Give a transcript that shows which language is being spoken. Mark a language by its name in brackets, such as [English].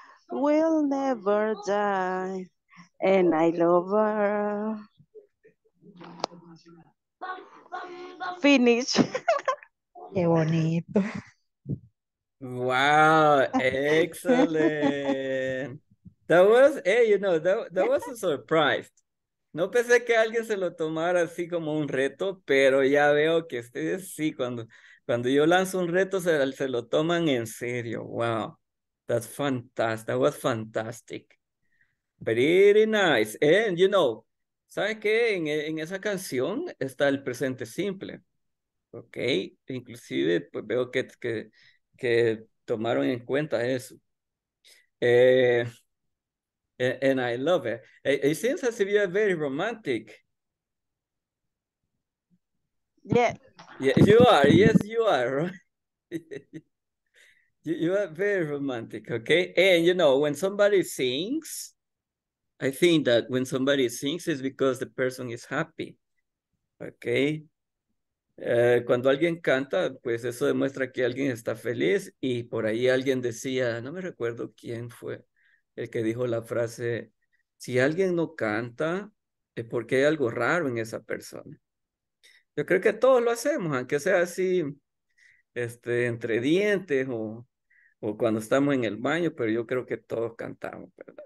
[English] will never die, and I love her. Finish. [Spanish] Qué bonito. [English] Wow, excellent. That was, hey, you know, that was a surprise. [Spanish] No pensé que alguien se lo tomara así como un reto, pero ya veo que ustedes sí, cuando yo lanzo un reto, se lo toman en serio. [English] Wow, that's fantastic. That was fantastic. Pretty nice. And, you know, [Spanish] ¿saben qué? En esa canción está el presente simple. Ok, inclusive pues veo que tomaron en cuenta eso. [English] And I love it. It seems as if you are very romantic. Yeah. Yeah, you are. Yes, you are. Right? You are very romantic, okay? And, you know, when somebody sings, I think that when somebody sings, it's because the person is happy, okay? [Spanish] Cuando alguien canta, pues eso demuestra que alguien está feliz. Y por ahí alguien decía, no me recuerdo quién fue el que dijo la frase, si alguien no canta, es porque hay algo raro en esa persona. Yo creo que todos lo hacemos, aunque sea así, entre dientes o cuando estamos en el baño, pero yo creo que todos cantamos, ¿verdad?